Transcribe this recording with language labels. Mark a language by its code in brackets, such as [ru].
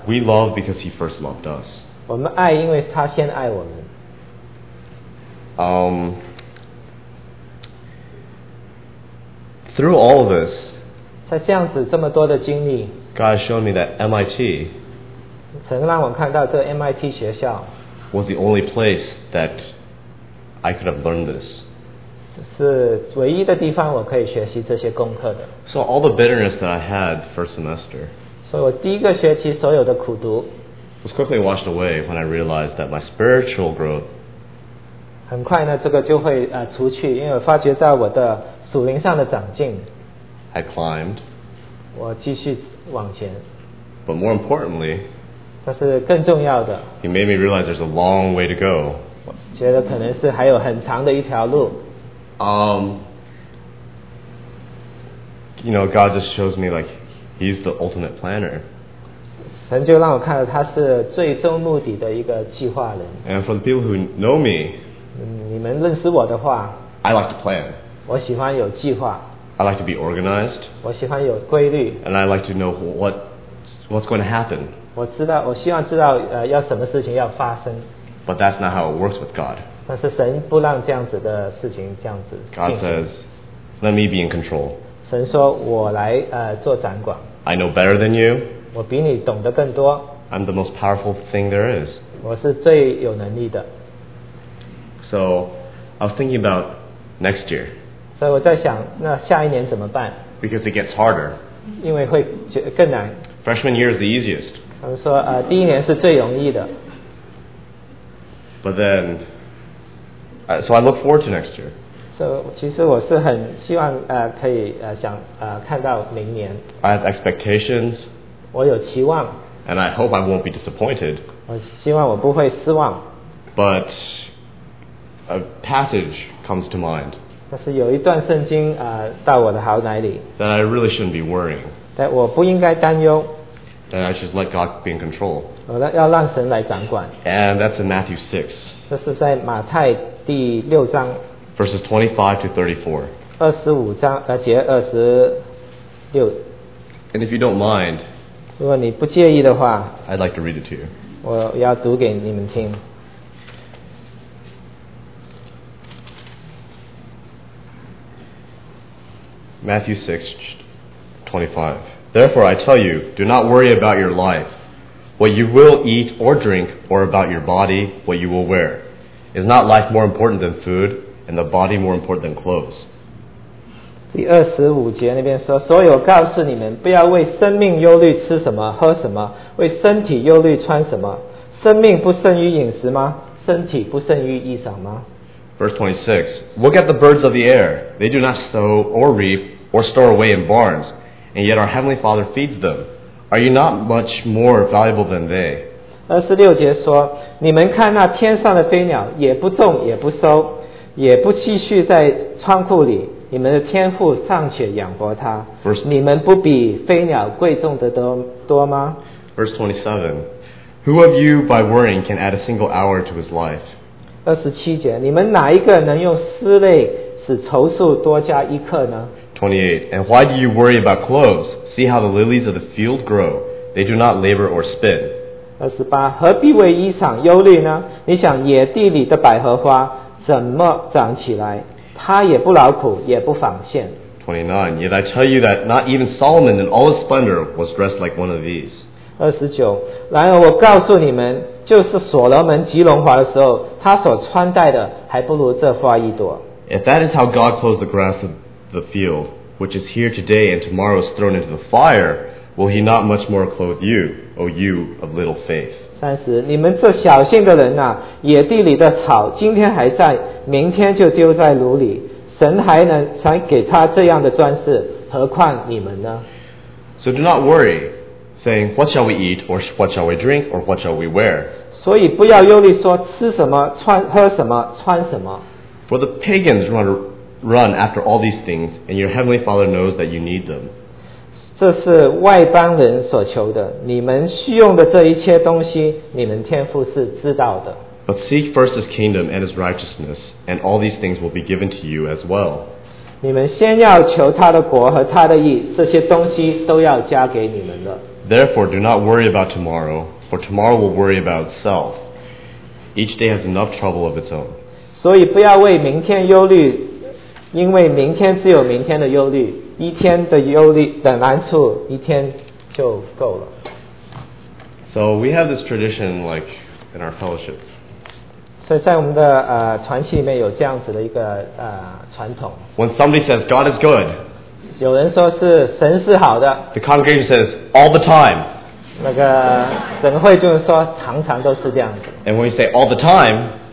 [en] We love because He first loved us. [zh] 我们爱，因为他先爱我们。 [en] Through all of this. [zh] 在这样子这么多的经历。 [en] God showed me that MIT, [zh] 神让我看到这 MIT 学校 [en] was the only place that I could have learned this. [zh] 是唯一的地方我可以学习这些功课的。 [en] So all the bitterness that I had first semester, [zh] 所以我第一个学期所有的苦读 [en] was quickly washed away when I realized that my spiritual growth, [zh] 很快呢这个就会除去，因为我发觉在我的属灵上的长进 [en] had climbed. [zh] 我继续往前。 [en] But more importantly, [zh] 但是更重要的 [en] He made me realize there's a long way to go. [zh] 我觉得可能是还有很长的一条路。 [en] You know, God just shows me like He's the ultimate planner. [zh] 神就让我看到他是最终目的的一个计划人。 [en] And for the people who know me, [zh] 你们认识我的话 [en] I like to plan. [zh] 我喜欢有计划。 [en] I like to be organized. [zh] 我喜欢有规律。 [en] And I like to know what's going to happen. [zh] 我知道，我希望知道要什么事情要发生。 [en] But that's not how it works with God. [zh] 但是神不让这样子的事情这样子。 [en] God says, "Let me be in control." [zh] 神说，我来做掌管。 [en] I know better than you. [zh] 我比你懂得更多。 [en] I'm the most powerful thing there is. [zh] 我是最有能力的。 [en] So, I was thinking about next year. [zh] 所以我在想，那下一年怎么办 [en] ？Because it gets harder. [zh] 因为会更难。 [en] Freshman year is the easiest. [zh] 他们说，第一年是最容易的。 [en] But then, so I look forward to next year. [zh] So, 其实我是很希望可以想看到明年。 [en] I have expectations. [zh] 我有期望。 [en] And I hope I won't be disappointed. [zh] 我希望我不会失望。 [en] But a passage comes to mind. [zh] 但是有一段圣经到我的脑海里。 [en] That I really shouldn't be worrying. [zh] 但我不应该担忧。 [en] That I should let God be in control. [zh] 我要让神来掌管。 [en] And that's in Matthew 6. [zh] 这是在马太第六章。 [en] Verses 25 to 34. [zh] 25节26。 [en] And if you don't mind, [zh] 如果你不介意的话 [en] I'd like to read it to you. [zh] 我要读给你们听。 [en] Matthew 6:25. Therefore I tell you, do not worry about your life, what you will eat or drink, or about your body, what you will wear. Is not life more important than food, and the body more important than clothes? [zh] 第二十五节那边说，所以我告诉你们，不要为生命忧虑吃什么、喝什么，为身体忧虑穿什么。生命不胜于饮食吗？身体不胜于衣裳吗？ [en] Verse 26, look at the birds of the air. They do not sow or reap or store away in barns, and yet our Heavenly Father feeds them. Are you not much more valuable than they? [zh] 26节说，你们看那天上的飞鸟，也不种，也不收，也不积蓄在仓库里，你们的天父尚且养活它。 [en] Verse, [zh] 你们不比飞鸟贵重得多吗？ [en] Verse 27, who of you by worrying can add a single hour to his life? [zh] 27节，你们哪一个能用思虑使愁数多加一刻呢？ [en] 28, and why do you worry about clothes? See how the lilies of the field grow. They do not labor or spin. [zh] 28, 何必为衣裳忧虑呢？你想野地里的百合花，怎么长起来，他也不劳苦，也不纺线。 [en] 29. Yet I tell you that not even Solomon in all his splendor was dressed like one of these. [zh] 29. 然而我告诉你们，就是所罗门极荣华的时候，他所穿戴的还不如这花一朵。 [en] If that is how God clothes the grass of the field, which is here today and tomorrow is thrown into the fire, will He not much more clothe you, O you of little faith? [zh] 30. 你们这小信的人啊，野地里的草今天还在，明天就丢在炉里。神还能想给他这样的装饰，何况你们呢？ [en] So do not worry, saying, what shall we eat, or what shall we drink, or what shall we wear? [zh] 所以不要忧虑说吃什么、穿、喝什么、穿什么。 [en] For the pagans run after all these things, and your heavenly Father knows that you need them. [zh] 这是外邦人所求的，你们需用的这一切东西，你们天父是知道的。 [en] But seek first His kingdom and His righteousness, and all these things will be given to you as well. [zh] 你们先要求他的国和他的义，这些东西都要加给你们的。 [en] Therefore, do not worry about tomorrow, for tomorrow will worry about itself. Each day has enough trouble of its own. [zh] 所以不要为明天忧虑，因为明天只有明天的忧虑，一天的忧虑的难处，一天就够了。 [en] So we have this tradition, like in our fellowship. [zh] 所以在我们的传系里面有这样子的一个传统。 [en] When somebody says God is good, [zh] 有人说是神是好的。 [en] The congregation says all the time. [zh] 那个整个会众说常常都是这样子。 [en] And when we say all the time,